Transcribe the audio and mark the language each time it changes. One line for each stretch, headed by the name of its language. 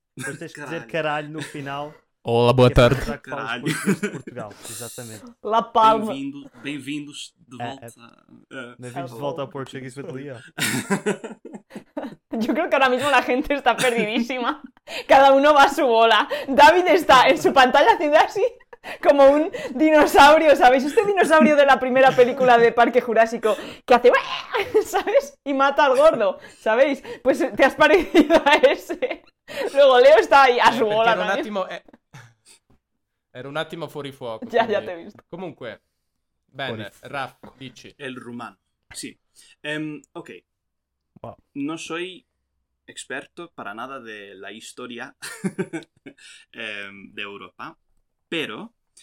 Portuguese: Depois tens que dizer caralho no final. Olá, boa tarde. Caralho. Portugal, exatamente.
Spanish: La Palma.
Portuguese: Bem-vindos de volta. Bem-vindos de volta ao Português with Leo.
Spanish: Yo creo que ahora mismo la gente está perdidísima. Cada uno va a su bola. David está en su pantalla haciendo así como un dinosaurio, ¿sabes? Este dinosaurio de la primera película de Parque Jurásico que hace, ¿sabes? Y mata al gordo, ¿sabéis? Pues te has parecido a ese. Luego Leo está ahí a su bola.
Italian: Era un attimo, era un attimo fuori fuoco.
Spanish: Ya, ya te he visto.
Italian: Comunque, bene, Raph, dici.
Spanish: El rumano, sí. Ok. Wow. No soy experto para nada de la historia de Europa, pero...